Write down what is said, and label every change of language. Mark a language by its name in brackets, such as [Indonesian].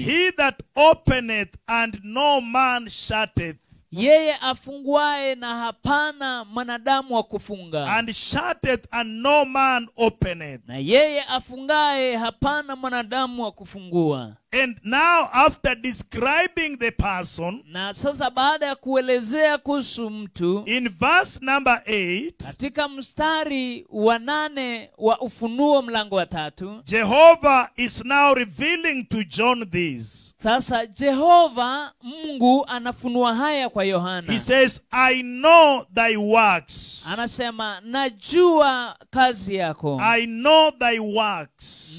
[English] He that openeth and no man shutteth. [Swahili] Yeye afunguae na hapana manadamu wa kufunga. [English] And shutteth and no man openeth. [Swahili] Na yeye afungae hapana manadamu wa kufungua. [English] And now after describing the person. [Swahili] Na sasa baada ya kuelezea kuhusu mtu. [English] In verse number 8. [Swahili] Katika mstari wa 8 wa Ufunuo mlango wa 3. [English] Jehovah is now revealing to John this. [Swahili] Sasa Jehovah Mungu anafunua haya kwa Yohana. [English] He says, I know thy works. [Swahili] Anasema, najua kazi yako. [English] I know thy works.